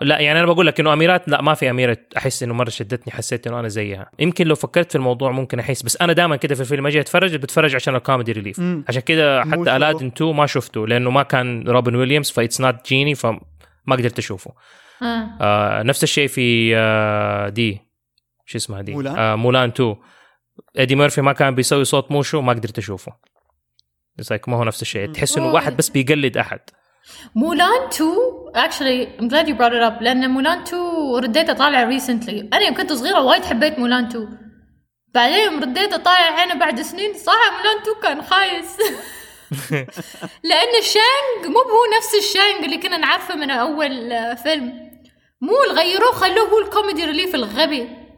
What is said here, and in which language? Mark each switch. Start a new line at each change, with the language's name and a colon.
Arabic: لا يعني أنا بقول لك إنه أميرات لا ما في أميرة أحس إنه مرة شدتني حسيت إنه أنا زيها يمكن لو فكرت في الموضوع ممكن أحس بس أنا دائما كده في الفيلم أجي بتفرج عشان الكوميدي ريليف عشان كده حتى ألادن 2 ما شفته لأنه ما كان روبن ويليامز
English: فإتس not Genie
Arabic: فما قدرت أشوفه نفس الشيء في دي شو اسمها دي مولان 2 ادي مورفي ما كان بيسوي صوت موشو ما قدرت اشوفه زيك ما هو نفس الشيء تحس انه واحد بس بيقلد احد مولان 2
English: actually I'm glad you brought it up
Arabic: لأن مولان 2 رديت أطالع
English: recently.
Arabic: أنا يوم كنت صغيرة وايد حبيت مولان 2 بعدين رديت أطالع هنا بعد سنين صح مولان 2 كان خايس لأن الشانغ مو هو نفس الشانغ اللي كنا نعرفه من أول فيلم مو الغيره خلوه هو الكوميدي ريليف الغبي